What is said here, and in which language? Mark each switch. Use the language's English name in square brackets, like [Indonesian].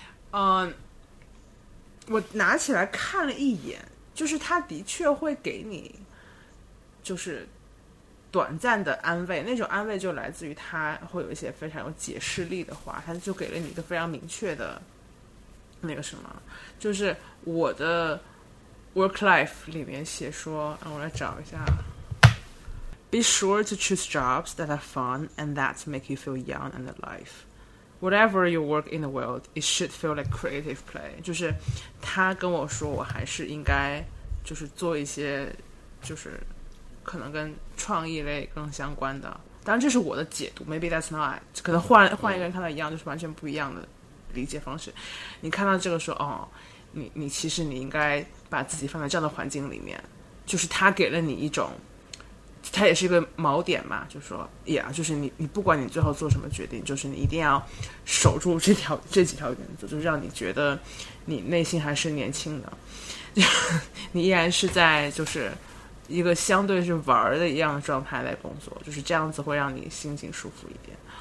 [Chinese] 我拿起来看了一眼，就是他的确会给你就是短暂的安慰，那种安慰就来自于他会有一些非常有解释力的话，他就给了你一个非常明确的那个什么，就是我的 work life 里面写说，让我来找一下。 [English] Be sure to choose jobs that are fun and that make you feel young and alive. Whatever you work in the world, it should feel like creative play. [Chinese] 就是他跟我说我还是应该就是做一些就是可能跟创意类更相关的。当然这是我的解读， [English] maybe that's not， [Chinese] 可能 换一个人看到一样就是完全不一样的理解方式。你看到这个说，哦，你其实你应该把自己放在这样的环境里面，就是他给了你一种，它也是一个锚点嘛，就说呀，就是你不管你最后做什么决定，就是你一定要守住这几条原则，就让你觉得你内心还是年轻的，你依然是在就是一个相对是玩的一样的状态在工作，就是这样子会让你心情舒服一点。